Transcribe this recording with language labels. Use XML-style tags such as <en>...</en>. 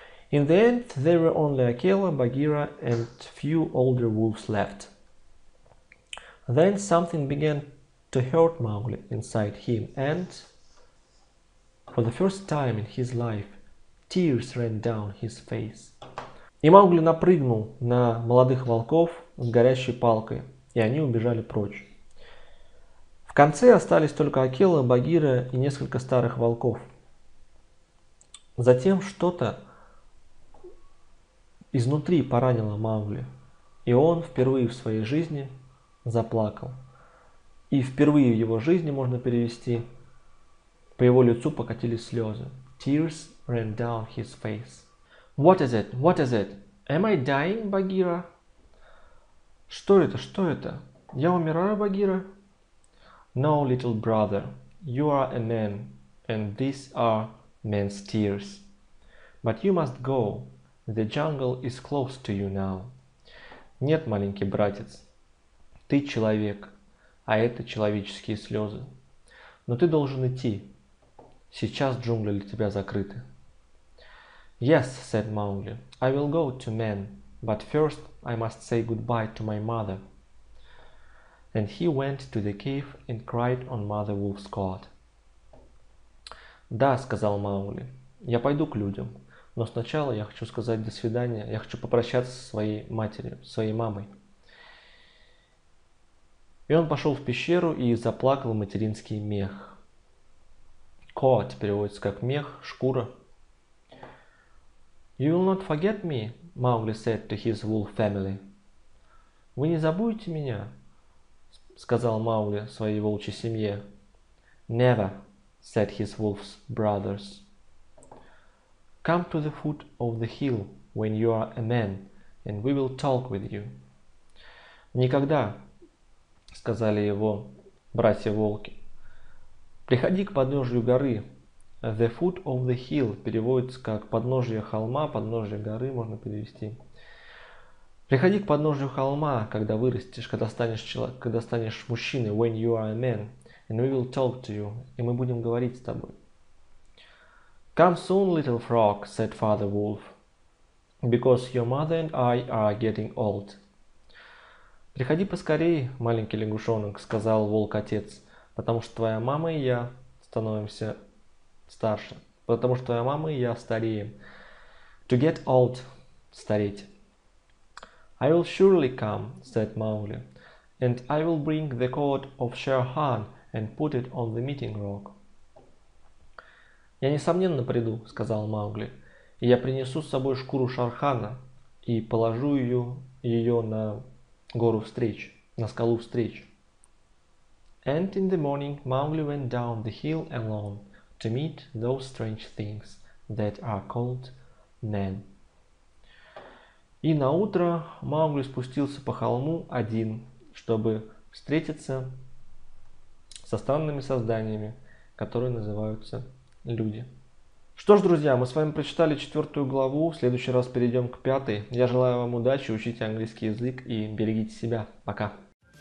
<en>In the end, there were only Akela, Bagheera, and few older wolves left. Then something began to hurt Mowgli inside him, and for the first time in his life, tears ran down his face.</en> <ru>И Маугли напрыгнул на молодых волков с горящей палкой, и они убежали прочь. В конце остались только Акела, Багира и несколько старых волков. Затем что-то изнутри поранило Маугли, и он впервые в своей жизни заплакал. И впервые в его жизни, можно перевести, по его лицу покатились слезы.</ru> <en>Tears ran down his face. What is it? What is it? Am I dying,</en> <ru>Багира? Что это? Что это? Я умираю, Багира?</ru> <en>No, little brother, You are a man, and these are men's tears. But you must go. The jungle is close to you now.</en> <ru>Нет, маленький братец, ты человек, а это человеческие слезы. Но ты должен идти. Сейчас джунгли для тебя закрыты.</ru> <en>Yes, said Mowgli, I will go to men, but first I must say goodbye to my mother. And he went to the cave and cried on Mother Wolf's cot.</en> <ru>Да, сказал Маугли, я пойду к людям, но сначала я хочу сказать до свидания, я хочу попрощаться со своей матерью, своей мамой. И он пошел в пещеру и заплакал материнский мех. Кот переводится как мех, шкура.</ru> <en>You will not forget me, Mowgli said to his wolf family.</en> <ru>Вы не забудете меня, сказал Маугли своей волчьей семье.</ru> <en>Never, said his wolf brothers. Come to the foot of the hill when you are a man, and we will talk with you.</en> <ru>Никогда, сказали его братья-волки. Приходи к подножию горы.</ru> <en>The foot of the hill</en> <ru>переводится как подножие холма, подножие горы можно перевести. Приходи к подножию холма, когда вырастешь, когда станешь мужчиной,</ru> <en>when you are a man, and we will talk to you,</en> <ru>и мы будем говорить с тобой.</ru> <en>Come soon, little frog, said Father Wolf, because your mother and I are getting old.</en> <ru>Приходи поскорей, маленький лягушонок, сказал волк-отец, потому что твоя мама и я становимся старше. Потому что твоя мама и я стареем.</ru> <en>To get old,</en> <ru>стареть.</ru> <en>I will surely come, said Mowgli, and I will bring the cord of Shere Khan and put it on the meeting rock.</en> <ru>Я несомненно приду, сказал Маугли, и я принесу с собой шкуру Шархана и положу ее на гору встреч, на скалу встреч.</ru> <en>And in the morning Mowgli went down the hill alone to meet those strange things that are called men.</en> <ru>И на утро Маугли спустился по холму один, чтобы встретиться со странными созданиями, которые называются люди. Что ж, друзья, мы с вами прочитали 4 главу, в следующий раз перейдем к 5. Я желаю вам удачи, учите английский язык и берегите себя. Пока!</ru>